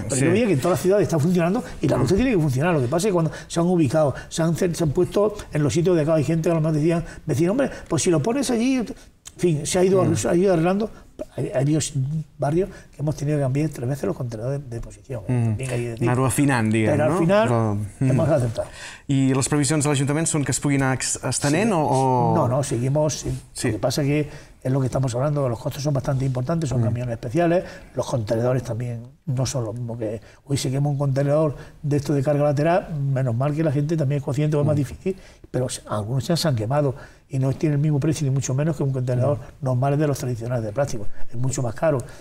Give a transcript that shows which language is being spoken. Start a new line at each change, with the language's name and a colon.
Spanish: Pero yo veía que toda la ciudad está funcionando y la luz tiene que funcionar. Lo que pasa es que cuando se han ubicado, se han puesto en los sitios de acá, hay gente que a lo mejor decían, me decían, hombre, pues si lo pones allí, en fin, se ha ido, arreglando. Hay barrios que hemos tenido que cambiar 3 veces los contenedores de posición.
Catalan: Anar-ho afinant, diguem. Però al final, no?
Spanish: Hemos aceptado.
Catalan: I les previsions de l'Ajuntament són que es puguin anar estenent? Sí. O...
Spanish: No, no, seguimos. Sí. Sí. Lo que pasa que es lo que estamos hablando, los costos son bastante importantes, son camiones especiales, los contenedores también no son lo mismo que... Hoy se quema un contenedor de esto de carga lateral, menos mal que la gente también es consciente, es más difícil, pero algunos ya se han quemado y no tiene el mismo precio ni mucho menos que un contenedor normal de los tradicionales de plástico, es mucho más caro.